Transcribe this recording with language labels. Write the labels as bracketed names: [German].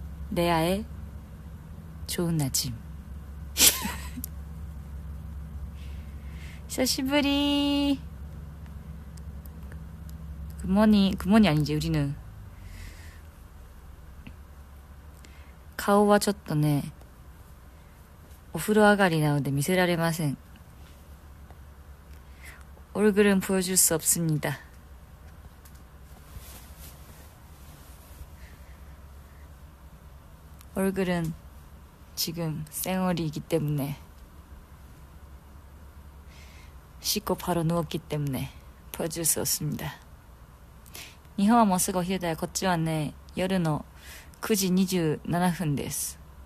[Korean] 레아의 좋은 아침. [Japanese] 久しぶり. [Korean] 굿모닝, 굿모닝 아니지, 우리는. [Japanese] 顔はちょっとね、 お風呂上がりなので見せられません。 [Korean] 얼굴은 보여줄 수 없습니다. 얼굴은 지금 생얼이기 때문에, 씻고 바로 누웠기 때문에 보여줄 수 없습니다. [Japanese] 日本はもうすぐお昼だよ。こっちはね、夜の9時27分です。